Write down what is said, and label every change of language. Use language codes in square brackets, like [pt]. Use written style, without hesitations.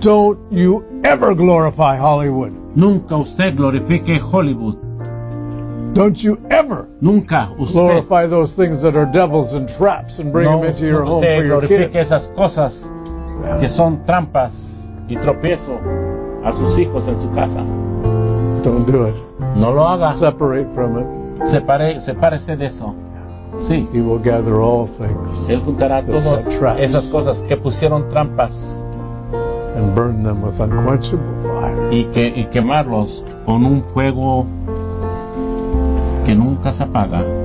[en] Don't you ever glorify Hollywood. [es] Nunca usted glorifique Hollywood. [en] Don't you ever. [es] Nunca usted. [en] Glorify those things that are devils and traps and bring them into your home for your kids. [es] No usted glorifique esas cosas que son trampas y tropiezo a sus hijos en su casa. [en] Don't do it. [es] No lo haga. [en] Separate from it. [es] Sepárese de eso. Sí. [en] He will gather all things. [es] Él juntará todas esas cosas que pusieron trampas. [en] And burn them with unquenchable fire. [es] Y quemarlos con un fuego que nunca se apaga.